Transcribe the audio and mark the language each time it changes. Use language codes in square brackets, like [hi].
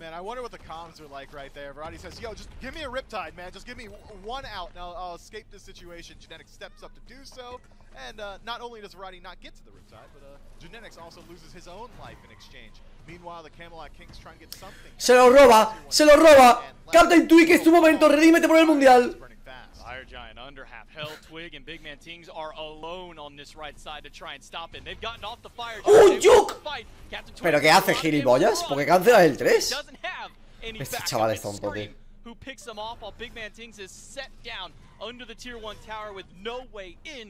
[en] Man, I wonder what the comms are like right there. Variety says, yo, just give me a Riptide, man. Just give me one out and I'll escape this situation. Genetic steps up to do so. And not only does Variety not get to the Riptide, but Genetic also loses his own life in exchange. Meanwhile, the Camelot King's trying to get something. [es] Se lo roba, se lo roba. Captain Twig, es tu momento, redímete por el mundial. [en] Fire Giant under half health. Twig and Big Man Tings are alone on this right side to try and stop it. They've gotten off the fire. [es] ¡Oh, Juke! ¿Pero qué hace, gilipollas? ¿Por qué cancelas el 3? Este chaval es tonto, tío. [en] Who picks him off while Big Man Tings is set down under the tier 1 tower with no way in.